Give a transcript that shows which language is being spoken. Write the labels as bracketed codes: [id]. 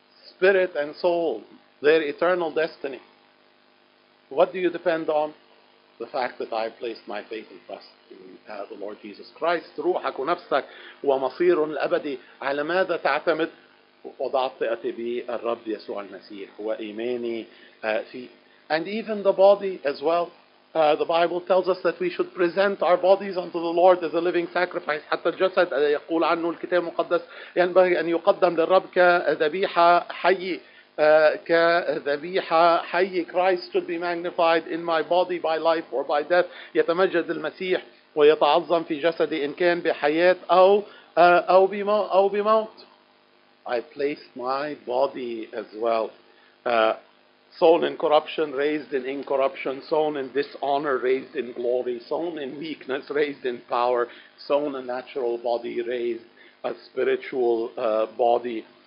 [en] Spirit and soul, their eternal destiny. What do you depend on? The fact that I placed my faith and trust in the Lord Jesus Christ. [ar] روحك ونفسك ومصير الأبدي على ماذا تعتمد؟ وضعت ثقتي بالرب يسوع المسيح وإيماني فيه. [en] And even the body as well. The Bible tells us that we should present our bodies unto the Lord as a living sacrifice. [ar] حتى الجسد يقول عنه الكتاب المقدس ينبغي أن يقدم للرب كذبيحة حية. كذبيحة حية. [en] Christ should be magnified in my body by life or by death. [ar] يتمجد المسيح ويتعظم في جسدي إن كان بحياة أو بموت. [en] I placed my body as well, sown in corruption, raised in incorruption, sown in dishonor, raised in glory, sown in weakness, raised in power, sown a natural body, raised a spiritual body.